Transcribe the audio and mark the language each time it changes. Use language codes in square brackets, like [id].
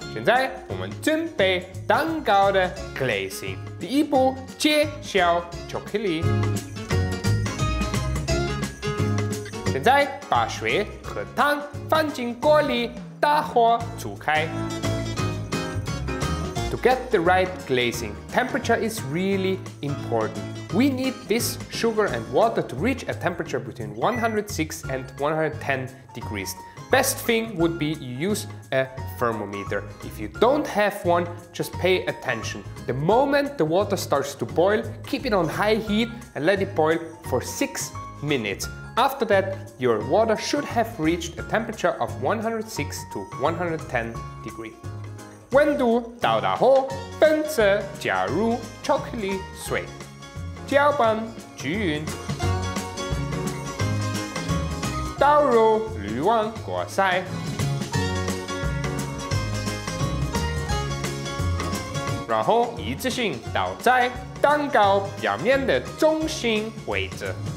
[zh] 现在我们准备蛋糕的 glazing。第一步，切小巧克力。现在把水和糖放进锅里，大火煮开。 [en] To get the right glazing, temperature is really important. We need this sugar and water to reach a temperature between 106 and 110 degrees. Best thing would be you use a thermometer. If you don't have one, just pay attention. The moment the water starts to boil, keep it on high heat and let it boil for 6 minutes. After that, your water should have reached a temperature of 106 to 110 degrees. [zh] 温度到达后，分次加入巧克力水，搅拌均匀，倒入滤网裹塞，然后一次性倒在蛋糕表面的中心位置。